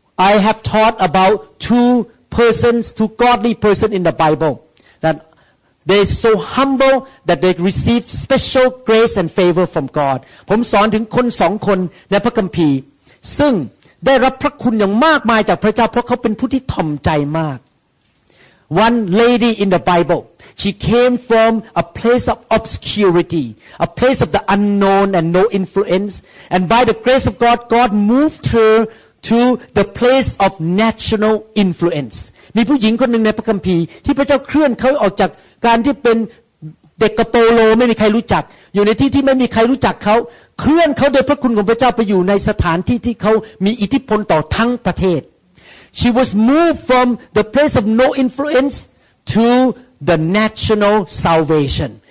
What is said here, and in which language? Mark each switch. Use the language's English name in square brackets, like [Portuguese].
[English] I have taught about two persons two godly persons in the Bible that they so humble that they receive special grace and favor from God [Thai] ผมสอนถึงคน2คนในพระคัมภีร์ซึ่งได้รับพระคุณอย่างมากมายจากพระเจ้าเพราะเขาเป็นผู้ที่ถ่อมใจมาก [English] One lady in the Bible, she came from a place of obscurity, a place of the unknown and no influence. And by the grace of God, God moved her to the place of national influence. [Thai] มีผู้หญิงคนหนึ่งในพระคัมภีร์ที่พระเจ้าเคลื่อนเขาออกจากการที่เป็นเด็กกระโปโลไม่มีใครรู้จักอยู่ในที่ที่ไม่มีใครรู้จักเขาเคลื่อนเขาโดยพระคุณของพระเจ้าไปอยู่ในสถานที่ที่เขามีอิทธิพลต่อทั้งประเทศ [English] She was moved from the place of no influence to the national salvation.